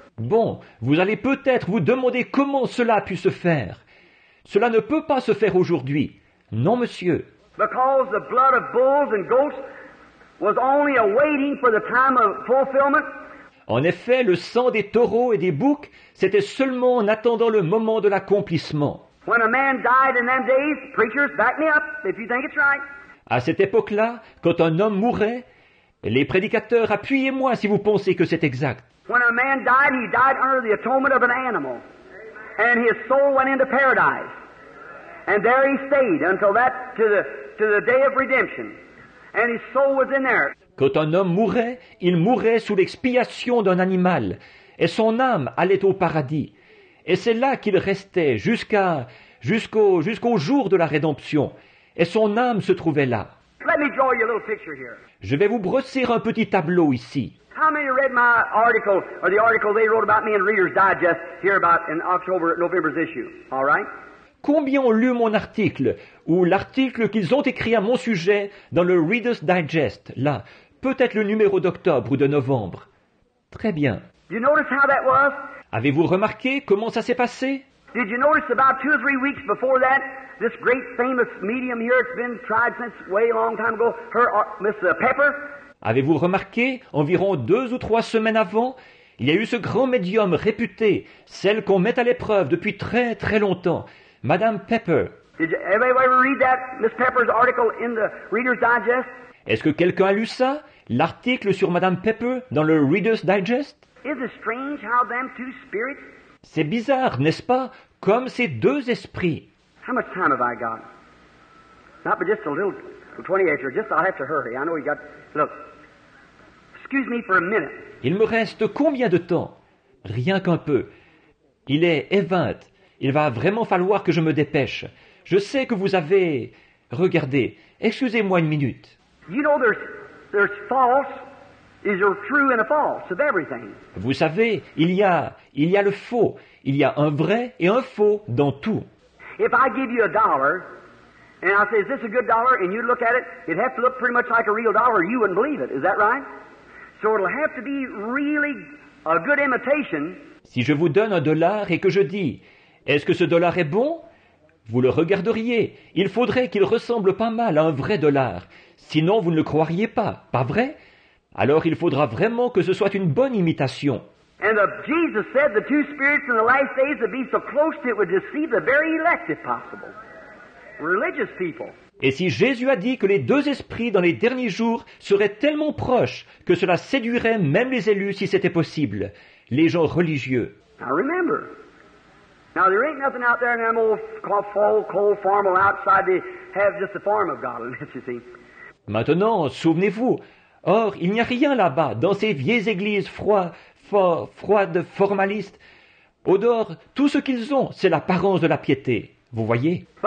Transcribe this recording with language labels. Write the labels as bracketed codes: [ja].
[fr] Bon, vous allez peut-être vous demander comment cela a pu se faire. Cela ne peut pas se faire aujourd'hui. Non, monsieur. [en] Because the blood of bulls and goats was only awaiting for the time of fulfillment. [fr] En effet, le sang des taureaux et des boucs, c'était seulement en attendant le moment de l'accomplissement. [en] When a man died in them days, preachers, back me up if you think it's right. [fr] À cette époque-là, quand un homme mourait, les prédicateurs, appuyez-moi si vous pensez que c'est exact. [en] When a man died, he died under the atonement of an animal. And his soul went into paradise. And there he stayed until that to the day of redemption. And his soul was in there. [fr] Quand un homme mourait, il mourait sous l'expiation d'un animal, et son âme allait au paradis. Et c'est là qu'il restait jusqu'au jour de la rédemption, et son âme se trouvait là. [en] Let me draw you a little picture here. [fr] Je vais vous brosser un petit tableau ici. [en] How many read my article or the article they wrote about me in Reader's Digest here about in October, November's issue? All right? [fr] Combien ont lu mon article ou l'article qu'ils ont écrit à mon sujet dans le Reader's Digest, là, peut-être le numéro d'octobre ou de novembre? Très bien. [en] You notice how that was? [fr] Avez-vous remarqué comment ça s'est passé? [en] Did you notice about two or three weeks before that, this great famous medium here, it's been tried since way long time ago, her, Miss Pepper? [fr] Avez-vous remarqué, environ deux ou trois semaines avant, il y a eu ce grand médium réputé, celle qu'on met à l'épreuve depuis très très longtemps, Madame Pepper. [en] Did you ever read that Miss Pepper's article in the Reader's Digest? [fr] Est-ce que quelqu'un a lu ça, l'article sur Madame Pepper dans le Reader's Digest? [en] Is it strange how them two spirits? [fr] C'est bizarre, n'est-ce pas? Comme ces deux esprits. [en] How much time have I got? Not but just a little, 28 acres. Just I'll have to hurry. I know you got. Look, excuse me for a minute. [fr] Il me reste combien de temps? Rien qu'un peu. Il est 20. Il va vraiment falloir que je me dépêche. Je sais que vous avez... Regardez, excusez-moi une minute. [en] You know there's false, is there true and a false of everything. [fr] Vous savez, il y a le faux. Il y a un vrai et un faux dans tout. [en] If I give you a dollar, and I say, is this a good dollar? And you look at it, it has to look pretty much like a real dollar. You wouldn't believe it. Is that right? So it'll have to be really a good imitation. [fr] Si je vous donne un dollar et que je dis... Est-ce que ce dollar est bon? Vous le regarderiez. Il faudrait qu'il ressemble pas mal à un vrai dollar. Sinon, vous ne le croiriez pas. Pas vrai? Alors, il faudra vraiment que ce soit une bonne imitation. [en] Jesus said the two spirits in the last days would be so close that it would deceive the very elect if possible. religious people. [fr] Et si Jésus a dit que les deux esprits dans les derniers jours seraient tellement proches que cela séduirait même les élus si c'était possible, les gens religieux. [en] Now remember, now there ain't nothing out there in them old fall, cold formal outside. They have just the form of godliness, you see. [fr] Maintenant, souvenez-vous. Or, il n'y a rien là-bas, dans ces vieilles églises froides, formalistes. Au dehors, tout ce qu'ils ont, c'est l'apparence de la piété. Vous voyez?